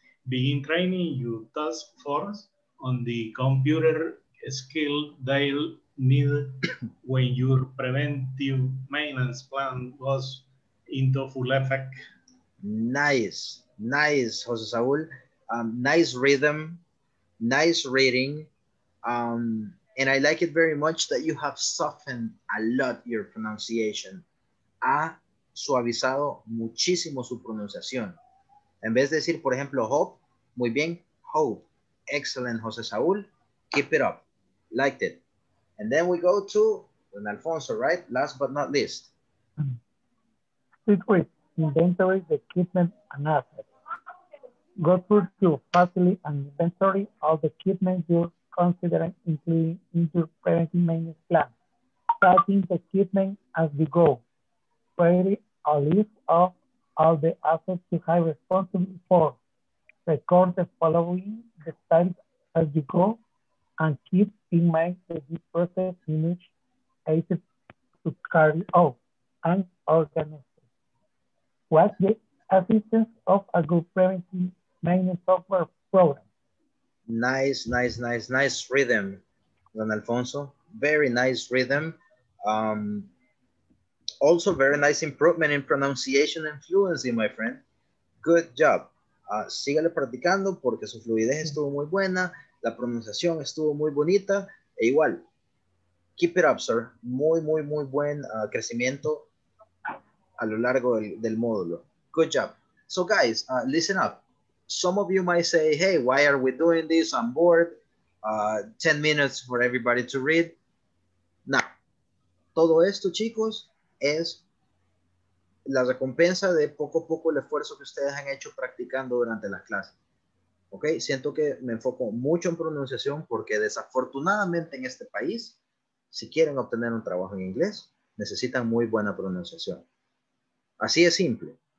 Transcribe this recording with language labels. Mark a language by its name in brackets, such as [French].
[English] Begin training your task force on the computer skill they'll need when your preventive maintenance plan goes into full effect. Nice, nice, Jose Saul. Nice rhythm, nice reading. And I like it very much that you have softened a lot your pronunciation. [Spanish] Ha suavizado muchísimo su pronunciación. En vez de decir, por ejemplo, hope, muy bien, hope. [English] Excellent, Jose Saul. Keep it up. Liked it. And then we go to Don Alfonso, right? Last but not least. Step three, inventory the equipment and assets. Go through to facility and inventory all the equipment you're considering including into preventive maintenance plan. Starting the equipment as you go. Create a list of all the assets you have responsibility for. record the following the time as you go and keep in mind that this process image is to carry out and organize. What's the assistance of a good preventive maintenance software program? Nice, nice, nice, nice rhythm, Don Alfonso. Very nice rhythm. Also very nice improvement in pronunciation and fluency, my friend. Good job. [Spanish] Síguele practicando porque su fluidez estuvo muy buena, la pronunciación estuvo muy bonita, e igual, [English] keep it up, sir. [Spanish] Muy, muy, muy buen crecimiento a lo largo del módulo. [English] Good job. So guys, listen up. Some of you might say, hey, why are we doing this? I'm bored. 10 minutes for everybody to read. [Spanish] Now, todo esto, chicos, es la recompensa de poco a poco el esfuerzo que ustedes han hecho practicando durante las clases. Ok, siento que me enfoco mucho en pronunciación porque desafortunadamente en este país, si quieren obtener un trabajo en inglés, necesitan muy buena pronunciación. Así es simple.